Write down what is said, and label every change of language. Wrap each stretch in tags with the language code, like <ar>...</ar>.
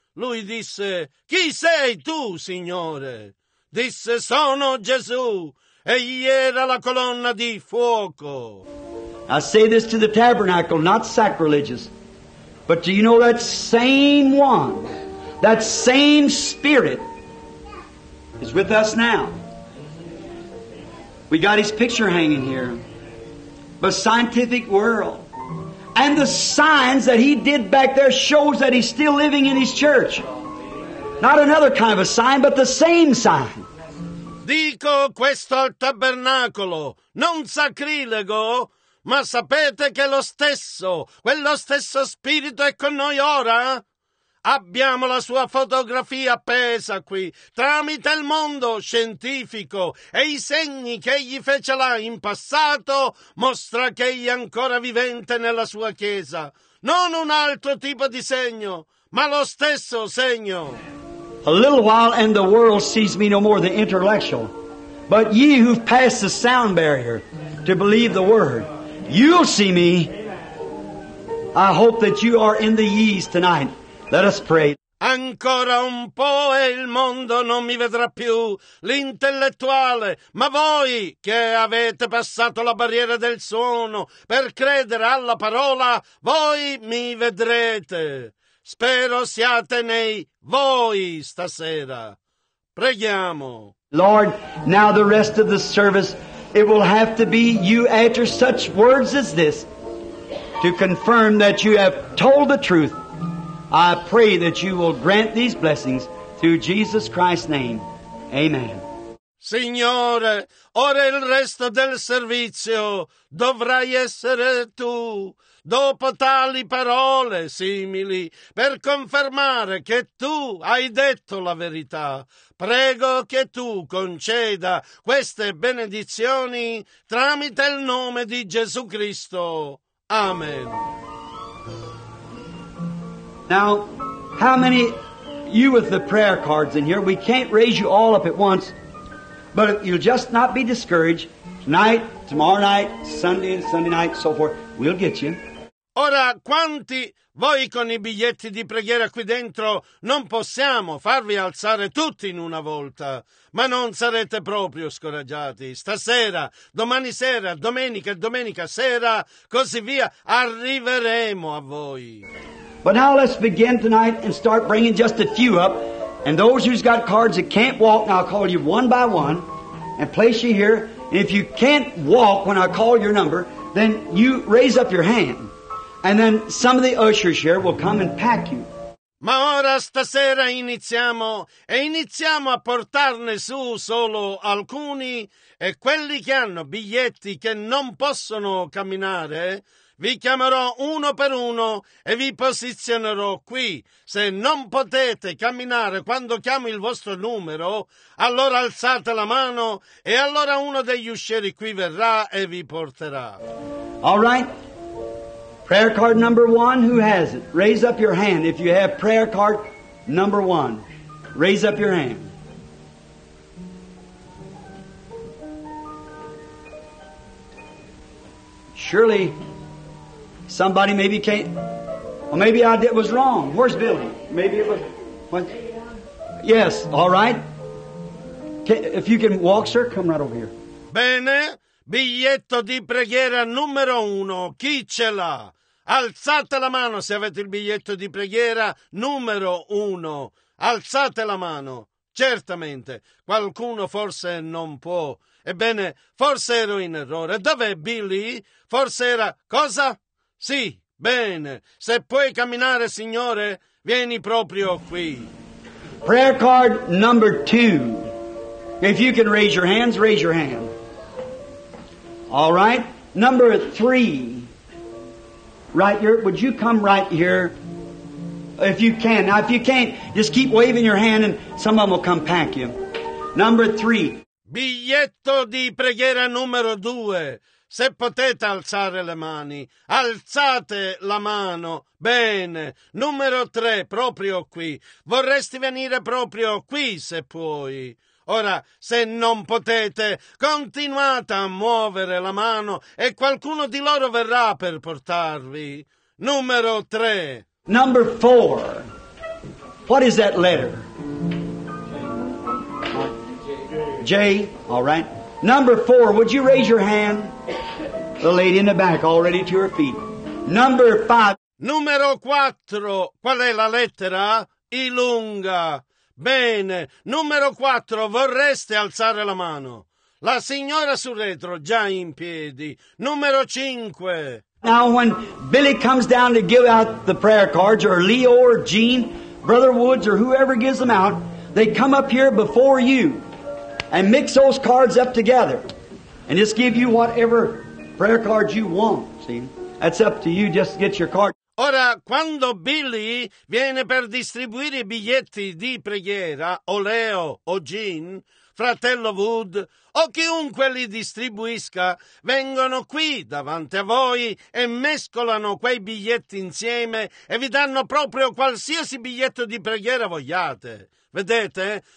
<it>Lui disse, chi sei tu, Signore? Disse, sono Gesù, e gli era la colonna di fuoco.</it> <en>I say this to the tabernacle, not sacrilegious, but do you know that same one, that same spirit is with us now. We got his picture hanging here. But scientific world. And the signs that he did back there shows that he's still living in his church. Not another kind of a sign, but the same sign.</en> <it>Dico questo al tabernacolo, non sacrilego, ma sapete che lo stesso, quello stesso spirito è con noi ora? Abbiamo la sua fotografia appesa qui, tramite il mondo scientifico, e i segni che egli fece là in passato mostra che egli è ancora vivente nella sua chiesa. Non un altro tipo di segno, ma lo stesso segno.</it> <en>A little while and the world sees me no more than intellectual, but ye who've passed the sound barrier to believe the word, you'll see me. I hope that you are in the ye's tonight. Let us pray.</en> <it>Ancora un po' e il mondo non mi vedrà più, l'intellettuale, ma voi che avete passato la barriera del suono per credere alla parola, voi mi vedrete. Spero siate nei voi stasera. Preghiamo.</it> <en>Lord, now the rest of the service, it will have to be you utter such words as this to confirm that you have told the truth. I pray that you will grant these blessings through Jesus Christ's name. Amen.</en> <it>Signore, ora il resto del servizio dovrai essere tu, dopo tali parole simili, per confermare che tu hai detto la verità. Prego che tu conceda queste benedizioni tramite il nome di Gesù Cristo. Amen.</it> <en>Now, how many, you with the prayer cards in here, we can't raise you all up at once, but you'll just not be discouraged. Tonight, tomorrow night, Sunday and Sunday night, so forth, we'll get you.</en> <it>Ora, quanti voi con i biglietti di preghiera qui dentro non possiamo farvi alzare tutti in una volta, ma non sarete proprio scoraggiati. Stasera, domani sera, domenica e domenica sera, così via, arriveremo a voi.</it> <en>But now let's begin tonight and start bringing just a few up. And those who's got cards that can't walk, now I'll call you one by one and place you here. And if you can't walk when I call your number, then you raise up your hand. And then some of the ushers here will come and pack you.</en> <it>Ma ora stasera iniziamo, e iniziamo a portarne su solo alcuni, e quelli che hanno biglietti che non possono camminare, vi chiamerò uno per uno e vi posizionerò qui. Se non potete camminare quando chiamo il vostro numero, allora alzate la mano e allora uno degli uscieri qui verrà e vi porterà.</it> <en>All right. Prayer card number one, who has it? Raise up your hand if you have prayer card number one. Raise up your hand. Surely somebody maybe can't. Well, maybe I did was wrong. Where's Billy? Maybe it was. What? Yes, all right. If you can walk, sir, come right over here.</en> <it>Bene, biglietto di preghiera numero uno. Chi ce l'ha? Alzate la mano se avete il biglietto di preghiera numero uno. Alzate la mano. Certamente, qualcuno forse non può. Ebbene, forse ero in errore. Dov'è Billy? Forse era... Cosa? Sì, bene. Se puoi camminare, signore, vieni proprio qui.</it> <en>Prayer card number two. If you can raise your hands, raise your hand. All right. Number three. Right here. Would you come right here? If you can. Now, if you can't, just keep waving your hand and some of them will come pack you. Number three.</en> <it>Biglietto di preghiera numero due. Se potete alzare le mani, alzate la mano. Bene. Numero tre, proprio qui. Vorresti venire proprio qui, se puoi. Ora, se non potete, continuate a muovere la mano e qualcuno di loro verrà per portarvi. Numero tre.</it> <en>Number four. What is that letter? J. All right. Number four, would you raise your hand? The lady in the back, already to her feet. Number five.</en> <it>Numero quattro. Qual è la lettera? I lunga. Bene. Numero quattro, vorreste alzare la mano? La signora sul retro, già in piedi. Numero cinque.</it> <en>Now when Billy comes down to give out the prayer cards, or Leo or Gene, Brother Woods or whoever gives them out, they come up here before you and mix those cards up together and just give you whatever prayer cards you want, see? That's up to you, just get your card.</en> <it>Ora, quando Billy viene per distribuire i biglietti di preghiera, o Leo, o Gene, fratello Wood, o chiunque li distribuisca, vengono qui davanti a voi e mescolano quei biglietti insieme e vi danno proprio qualsiasi biglietto di preghiera vogliate. Vedete?</it>